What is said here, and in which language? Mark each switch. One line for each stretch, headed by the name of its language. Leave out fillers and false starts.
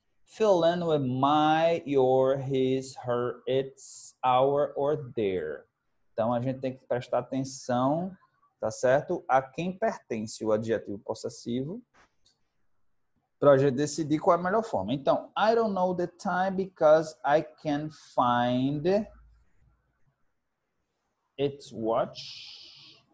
English: Fill in with my, your, his, her, its, our, or their.
Portuguese: Então, a gente tem que prestar atenção, tá certo? A quem pertence o adjetivo possessivo. Pra gente decidir qual é a melhor forma.
English: Então, I don't know the time because I can find its watch.